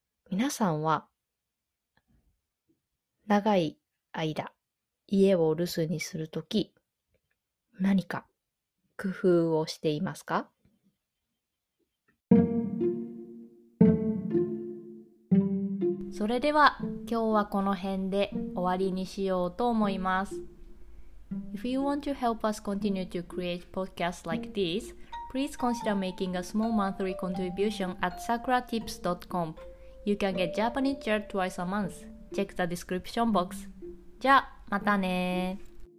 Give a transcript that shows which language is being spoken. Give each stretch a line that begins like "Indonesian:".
Japanese: 皆さんは、長い間、家を留守にするとき、何か工夫をしていますか？それでは、今日はこの辺で終わりにしようと思います。
English: If you want to help us continue to create podcasts like this, please consider making a small monthly contribution at sakuratips.com. You can get Japanese chat twice a month. チェックザディスクリプションボックス。
Japanese: じゃあまたねー。